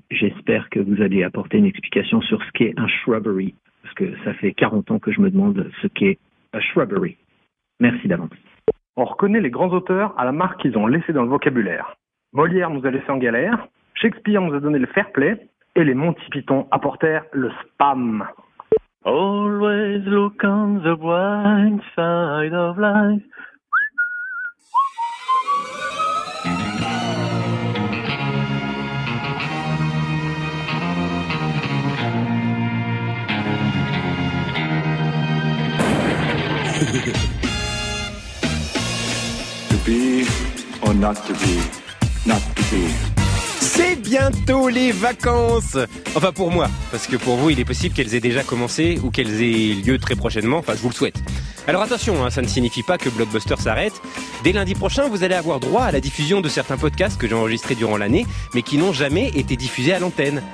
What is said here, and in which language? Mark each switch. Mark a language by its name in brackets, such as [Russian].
[French] J'espère que vous allez apporter une explication sur ce qu'est un shrubbery, parce que ça fait 40 ans que je me demande ce qu'est un shrubbery. Merci d'avance. On reconnaît les grands auteurs à la marque qu'ils ont laissée dans le vocabulaire. Molière nous a laissé en galère, Shakespeare nous a donné le fair play, et les Monty Python apportèrent le spam. [English] Always look on the bright side of life. To be or not to be, not to be. [French] C'est bientôt les vacances! Enfin, pour moi, parce que pour vous, il est possible qu'elles aient déjà commencé ou qu'elles aient lieu très prochainement. Enfin, je vous le souhaite. Alors attention, hein, ça ne signifie pas que Blockbuster s'arrête. Dès lundi prochain, vous allez avoir droit à la diffusion de certains podcasts que j'ai enregistrés durant l'année, mais qui n'ont jamais été diffusés à l'antenne.